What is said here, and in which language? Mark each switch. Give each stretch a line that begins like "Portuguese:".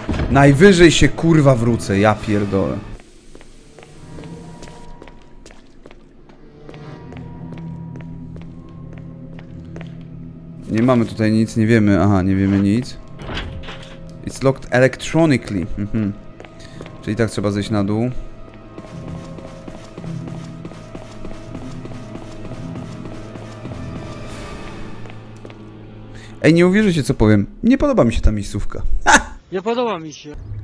Polish: Najwyżej się kurwa wrócę, ja pierdolę. Nie mamy tutaj nic, nie wiemy. Aha, nie wiemy nic.
English: It's locked electronically.
Polish: Czyli tak trzeba zejść na dół. Ej, nie uwierzycie, co powiem. Nie podoba mi się ta miejscówka. Ha! Nie podoba mi się.